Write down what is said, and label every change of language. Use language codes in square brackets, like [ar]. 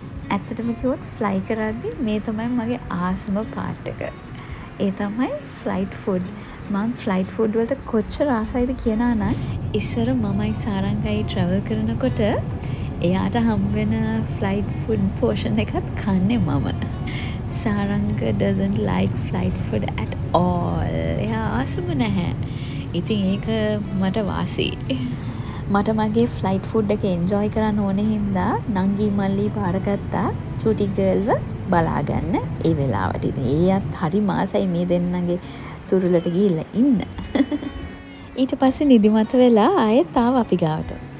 [si] ඇත්තටම කිව්වොත් ෆ්ලයි කරද්දී මේ තමයි මගේ ආසම පාට් එක. ඒ තමයි ෆ්ලයිට් ෆුඩ්. මං ෆ්ලයිට් ෆුඩ් වලට කොච්චර ආසයිද කියනා නම් ඉස්සර මමයි සාරංගයි ට්‍රැවල් කරනකොට එයාට හම් වෙන ෆ්ලයිට් ෆුඩ් පෝෂන් එකත් කන්නේ මම. [en] Saranga doesn't like flight food at all. [si] එයා ආසම නැහැ. ඉතින් ඒක මට වාසි. මට මගේ ෆ්ලයිට් ෆුඩ් එක එන්ජොයි කරන්න ඕනේ හින්දා නංගි මල්ලි පාරගත්තා චූටි ගර්ල්ව බලාගන්න ඒ වෙලාවට. ඉතින් ඒත් හරි මාසයි මේ දෙන්නගේ තුරුලට ගිහිල්ලා ඉන්න. ඊට පස්සේ නිදිමත වෙලා ආයෙත් ආව අපි ගාවට.